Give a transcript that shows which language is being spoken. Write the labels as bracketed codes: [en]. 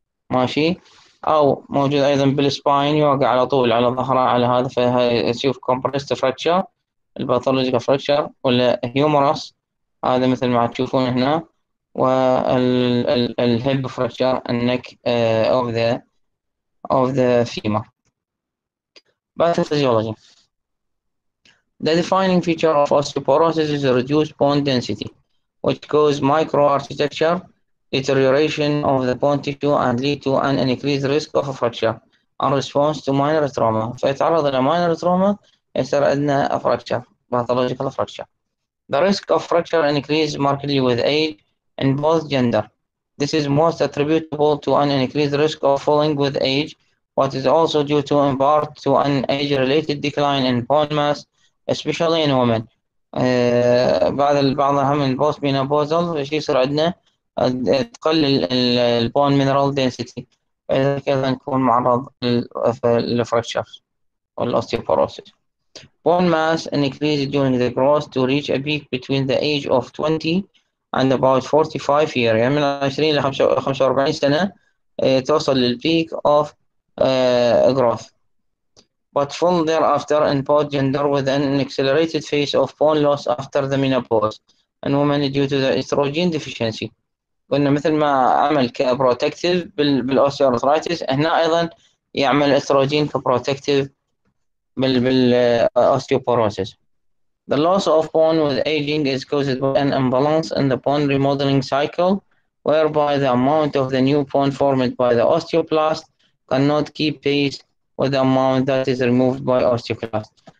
[ar] ماشي، او موجود ايضا بالسباين يوقع على طول على ظهره على هذا، فهي يشوف كومبرست فراكشر الباثولوجيكال فراكشر ولا هيومرس هذا مثل ما تشوفون هنا، والهيب فراكشر النك اوف ذا فيمر. [en] Pathology, the defining feature of osteoporosis is a reduced bone density, which causes microarchitecture, deterioration of the bone tissue, and lead to an increased risk of a fracture in response to minor trauma. [ar] فيتعرض إلى [en] minor trauma [ar] يصير عندنا [en] a fracture, pathological fracture. The risk of fracture increases markedly with age in both gender. This is most attributable to an increased risk of falling with age, what is also due to in part to an age-related decline in bone mass, especially in women. [ar] بعض البعض هم البوست مينوبوزال ايش يصير عندنا؟ تقلل البون مينرال دنسيتي، فاذا كذا نكون معرض للفراكشر والاوستيوبوروسيس. [en] Bone mass increases during the growth to reach a peak between the age of 20 and about 45 year، [ar] يعني من 20 ل 45 سنه توصل للبيك اوف [en] growth. But fall thereafter in both gender with an accelerated phase of bone loss after the menopause and women due to the estrogen deficiency. [ar] قلنا مثل ما عمل كبروتكتيف بالاوستيوارثرايتس، هنا ايضا يعمل استروجين كبروتكتيف بالاوستيوبوروسيس. [en] The loss of bone with aging is caused by an imbalance in the bone remodeling cycle whereby the amount of the new bone formed by the osteoblast cannot keep pace with the amount that is removed by osteoclast.